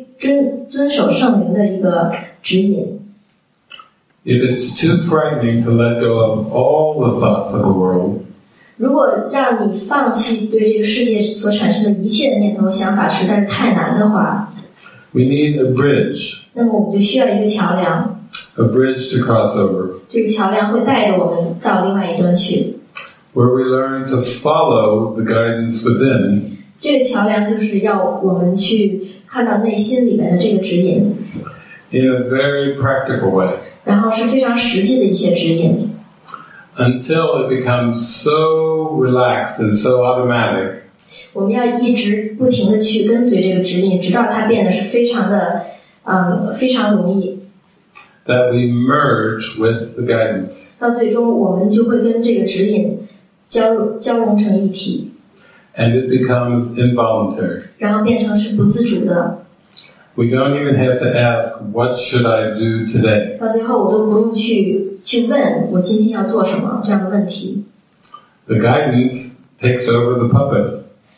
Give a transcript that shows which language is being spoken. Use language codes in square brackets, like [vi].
[zh] 另外一点就是要一直不停地练习去遵守圣灵的一个指引。 [en] If it's too frightening to let go of all the thoughts of the world, [zh] 如果让你放弃对这个世界所产生的一切的念头想法实在是太难的话, [en] we need a bridge. [zh] 那么我们就需要一个桥梁, [en] a bridge to cross over. [zh] 这个桥梁会带着我们到另外一端去, [en] where we learn to follow the guidance within. [zh] 这个桥梁就是要我们去看到内心里面的这个指引, [en] in a very practical way. [zh] 然后是非常实际的一些指引。 [en] Until it becomes so relaxed and so automatic. [zh] 我们要一直不停地去跟随这个指引，直到它变得是非常的，非常容易。 [en] That we merge with the guidance. [zh] 到最终我们就会跟这个指引交融成一体。 [en] And it becomes involuntary. [zh] 然后变成是不自主的。 [en] We don't even have to ask, what should I do today? The guidance takes over the puppet.